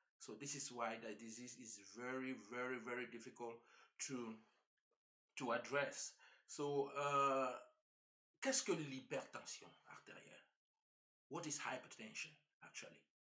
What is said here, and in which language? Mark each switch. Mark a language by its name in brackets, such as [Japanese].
[English] So this is why the disease is very, very, very difficult to address. [French] So, qu'est-ce que l'hypertension artérielle? [English] What is hypertension, actually?